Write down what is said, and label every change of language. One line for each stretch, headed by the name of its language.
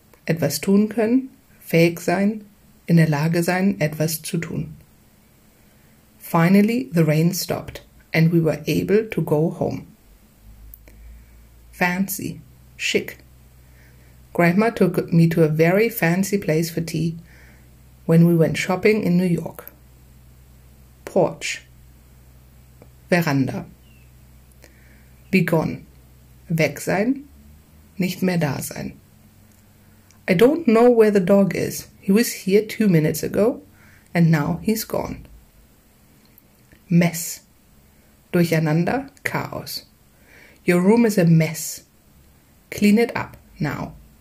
German: Etwas tun können, fähig sein, in der Lage sein, etwas zu tun.
English: Finally, the rain stopped and we were able to go home. Fancy, chic. Grandma took me to a very fancy place for tea when we went shopping in New York. Porch, veranda. Be gone,
German: weg sein, nicht mehr da sein.
English: I don't know where the dog is. He was here 2 minutes ago and now he's gone. Mess.
German: Durcheinander, Chaos.
English: Your room is a mess. Clean it up now.